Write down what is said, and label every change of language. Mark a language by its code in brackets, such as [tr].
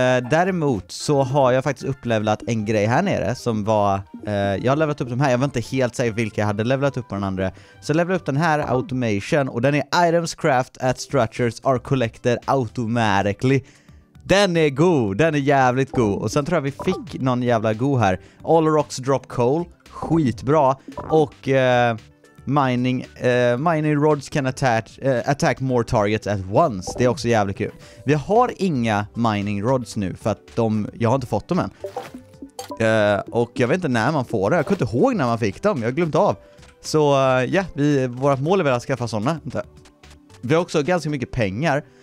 [sv] Däremot så har jag faktiskt upplevlat en grej här nere som var, jag har levlat upp de här, jag var inte helt säker vilka jag hade levlat upp på den andra. Så jag levlade upp den här automation och den är [en] items craft at structures are collected automatically. [sv] Den är god, den är jävligt god. Och sen tror jag vi fick någon jävla god här. [en] All rocks drop coal, [sv] skitbra. [en] Och mining rods can attack more targets at once. [sv] Det är också jävligt kul. Vi har inga mining rods nu för att jag har inte fått dem än. Och jag vet inte när man får det. Jag kan inte ihåg när man fick dem. Jag har glömt av. Så ja, vårt mål är väl att skaffa sådana. Vi har också ganska mycket pengar.